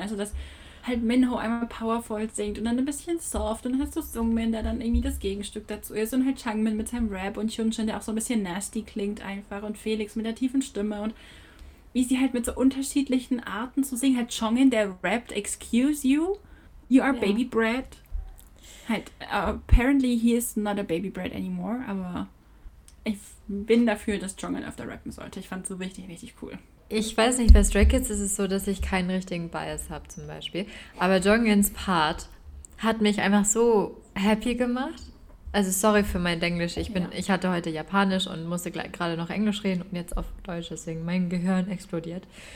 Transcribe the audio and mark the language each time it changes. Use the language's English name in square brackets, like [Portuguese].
[German] Also, dass halt Minho einmal powerful singt und dann ein bisschen soft und dann hast du Sungmin, der dann irgendwie das Gegenstück dazu ist und halt Changmin mit seinem Rap und Hyunjin, der auch so ein bisschen nasty klingt einfach und Felix mit der tiefen Stimme und wie sie halt mit so unterschiedlichen Arten zu singen. Halt Jongin, der rappt, [English] excuse you, you are [German] Ja. [English] baby bread. [German] Halt, [English] apparently he is not a baby bread anymore, [German] aber. Ich bin dafür, dass Jungle öfter rappen sollte. Ich fand es so richtig, richtig cool. Ich weiß nicht, bei Stray Kids ist es so, dass ich keinen richtigen Bias habe, zum Beispiel. Aber Jongins Part hat mich einfach so happy gemacht. Also, sorry für mein Englisch. Ich hatte heute Japanisch und musste gerade noch Englisch reden und jetzt auf Deutsch, deswegen mein Gehirn explodiert.